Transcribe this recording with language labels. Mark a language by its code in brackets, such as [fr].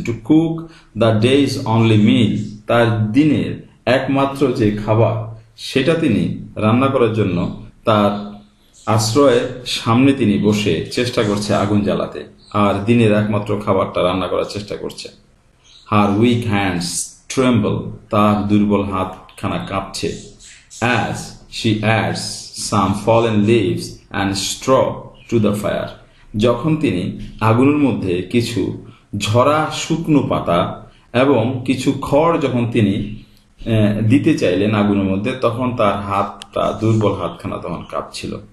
[en] to cook the day's only meal, [bn] তার দিনের একমাত্র যে খাবার সেটা তিনি রান্না করার জন্য তার আশ্রয়ে সামনে তিনি বসে চেষ্টা করছে আগুন জ্বালাতে, আর দিনের একমাত্র খাবারটা রান্না করার চেষ্টা করছে। [en] her weak hands tremble, [bn] তার দুর্বল হাতখানা কাঁপছে, [en] As She adds some fallen leaves and straw to the fire. [bn] যখন তিনি আগুনের মধ্যে কিছু ঝরা শুকনো পাতা এবং কিছু খড় যখন তিনি দিতে চাইলেন আগুনের মধ্যে, তখন তার হাতটা দুর্বল হাতখানা তখন কাঁপছিল।